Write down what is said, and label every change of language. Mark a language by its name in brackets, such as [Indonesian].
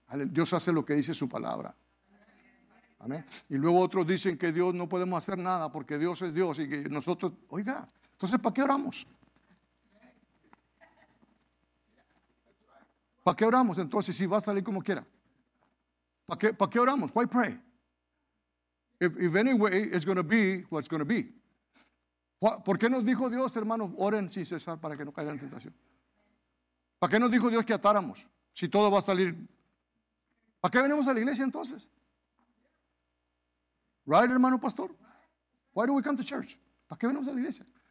[Spanish] Dios hace lo que dice su palabra. Amén. Y luego otros dicen que Dios no podemos hacer nada porque Dios es Dios y que nosotros, oiga, entonces, ¿para qué oramos? ¿Para qué oramos entonces si va a salir como quiera? ¿Para qué oramos? [English] Why pray? If anyway, it's going to be what's going to be. [Spanish] ¿Por qué nos dijo Dios, hermanos, oren sin cesar para que no caigan en tentación? ¿Para qué nos dijo Dios que atáramos si todo va a salir? ¿Para qué venimos a la iglesia entonces? Right, hermano pastor? [English] Why do we come to church? [Spanish] ¿Para qué venimos a la iglesia?